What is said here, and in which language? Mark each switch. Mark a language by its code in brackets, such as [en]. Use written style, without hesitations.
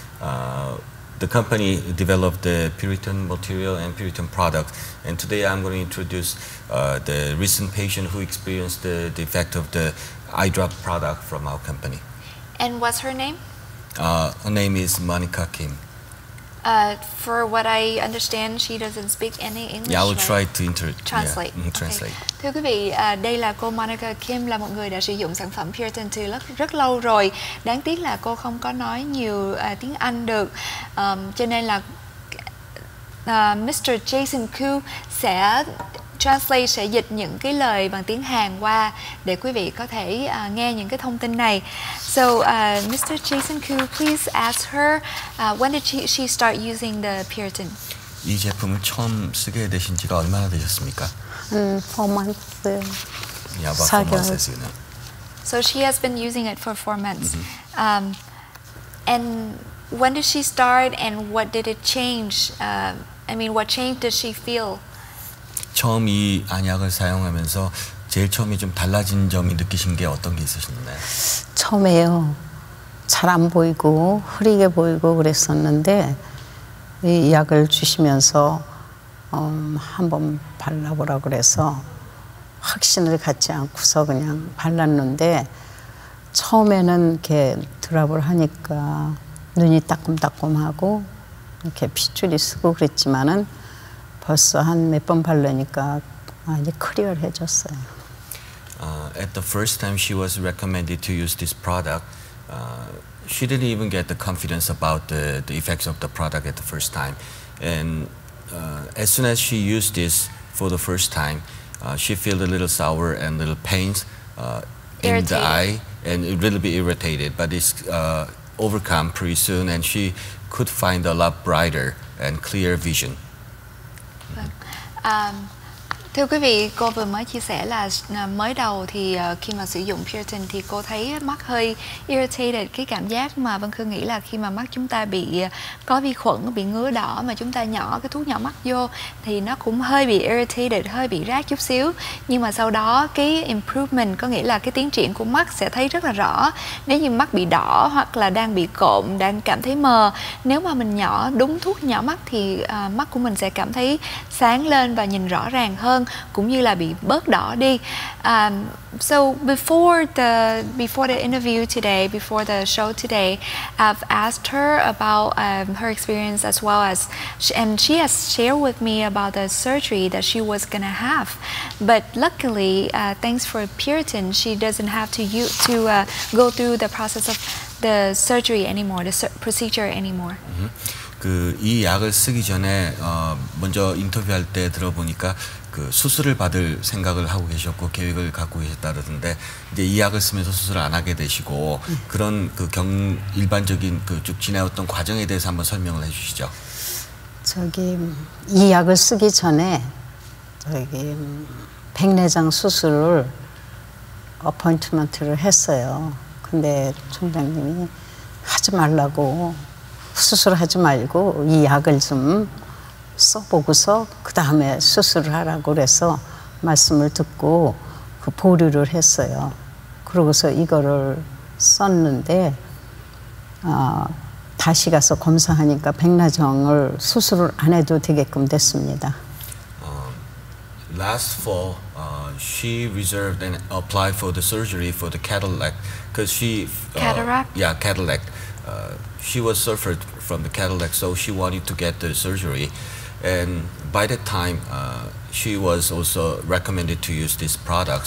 [en] The company developed the Puritan material and Puritan product, and today I'm going to introduce the recent patient who experienced the effect of the eye drop product from our company. And what's her name? Her name is Monica Kim. For what I understand, she doesn't speak any English. Yeah, I will try to translate. Yeah, translate. Okay. [vi] Thưa quý vị, đây là cô Monica Kim, là một người đã sử dụng sản phẩm Puritan từ rất lâu rồi. Đáng tiếc là cô không có nói nhiều tiếng Anh được. Cho nên là Mr. Jason Koo sẽ translate, sẽ dịch những cái lời bằng tiếng Hàn qua để quý vị có thể nghe những cái thông tin này. [en] So, Mr. Jason Koo, please ask her, when did she start using the Puritan? [ko] 이 제품을 처음 쓰게 되신 지가 얼마나 되셨습니까? [en] 4 months. Yeah, about 4 months, as you know. So she has been using it for 4 months. Mm-hmm. And when did she start and what did it change? What change does she feel? [ko] 처음 이 안약을 사용하면서 제일 처음에 좀 달라진 점이 느끼신 게 어떤 게 있으셨나요? 처음에요. 잘 안 보이고 흐리게 보이고 그랬었는데 이 약을 주시면서 한번 발라보라 그래서 확신을 갖지 않고서 그냥 발랐는데 처음에는 이렇게 드랍을 하니까 눈이 따끔따끔하고 이렇게 핏줄이 쓰고 그랬지만은 벌써 한 몇 번 바르니까 많이 클리어해졌어요. [en] At the first time she was recommended to use this product, she didn't even get the confidence about the effects of the product at the first time. And as soon as she used this for the first time, she felt a little sour and a little pains in the eye and a little bit irritated. But it's overcome pretty soon, and she could find a lot brighter and clear vision. [vi] Thưa quý vị, cô vừa mới chia sẻ là mới đầu thì khi mà sử dụng Puritan thì cô thấy mắt hơi irritated, cái cảm giác mà Vân Khương nghĩ là khi mà mắt chúng ta bị có vi khuẩn, bị ngứa đỏ mà chúng ta nhỏ cái thuốc nhỏ mắt vô thì nó cũng hơi bị irritated, hơi bị rát chút xíu. Nhưng mà sau đó cái improvement, có nghĩa là cái tiến triển của mắt sẽ thấy rất là rõ. Nếu như mắt bị đỏ hoặc là đang bị cộm, đang cảm thấy mờ, nếu mà mình nhỏ đúng thuốc nhỏ mắt thì mắt của mình sẽ cảm thấy sáng lên và nhìn rõ ràng hơn, cũng như là bị bớt đỏ đi. [en] So before the interview today, before the show today, I've asked her about her experience as well as and she has shared with me about the surgery that she was gonna have. But luckily, thanks for Puritan, she doesn't have to go through the process of the surgery anymore, the procedure anymore. [ko] Mm-hmm. 그 이 약을 쓰기 전에 먼저 인터뷰할 때 들어보니까 그 수술을 받을 생각을 하고 계셨고 계획을 갖고 계셨다던데 이제 이 약을 쓰면서 수술을 안 하게 되시고 그런 그 경 일반적인 그 쭉 지내왔던 과정에 대해서 한번 설명을 해주시죠. 저기 이 약을 쓰기 전에 저기 백내장 수술을 어포인트먼트를 했어요. 근데 총장님이 하지 말라고 수술하지 말고 이 약을 좀 써보고서 그 다음에 수술을 하라고 그래서 말씀을 듣고 그 보류를 했어요. 그러고서 이거를 썼는데 다시 가서 검사하니까 백내장을 수술을 안 해도 되게끔 됐습니다. [en] Last fall, she reserved and applied for the surgery for the cataract. Because she, cataract? Yeah, cataract. She was suffered from the cataract, so she wanted to get the surgery. And by that time, she was also recommended to use this product.